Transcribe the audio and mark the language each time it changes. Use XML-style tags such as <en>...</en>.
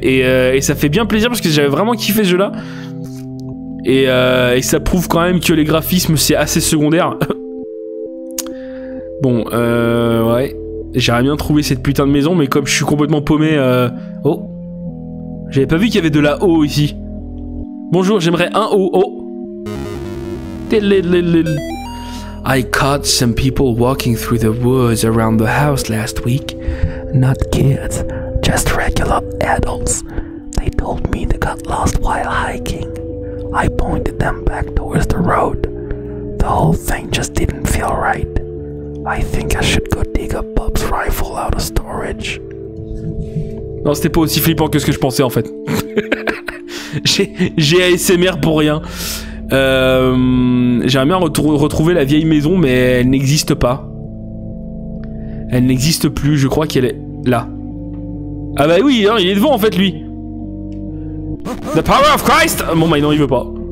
<fr>Et ça fait bien plaisir parce que j'avais vraiment kiffé ce jeu-là. Et ça prouve quand même que les graphismes, c'est assez secondaire. Bon, ouais. J'aurais bien trouvé cette putain de maison, mais comme je suis complètement paumé... Oh. J'avais pas vu qu'il y avait de la O ici. Bonjour, j'aimerais un O. Oh.</fr> <en>I caught some people walking through the woods around the house last week. Not kids, just regular adults. They told me they got lost while hiking. I pointed them back towards the road. The whole thing just didn't feel right. I think I should go dig up Bob's rifle out of storage.</en> <fr>Non, c'était pas aussi flippant que ce que je pensais en fait. j'ai ASMR pour rien. J'aimerais bien retrouver la vieille maison, mais elle n'existe pas. Elle n'existe plus, je crois qu'elle est là. Ah bah oui, hein, il est devant en fait, lui.</fr> <en>The power of Christ!</en> <fr>Bon bah non, il veut pas.</fr>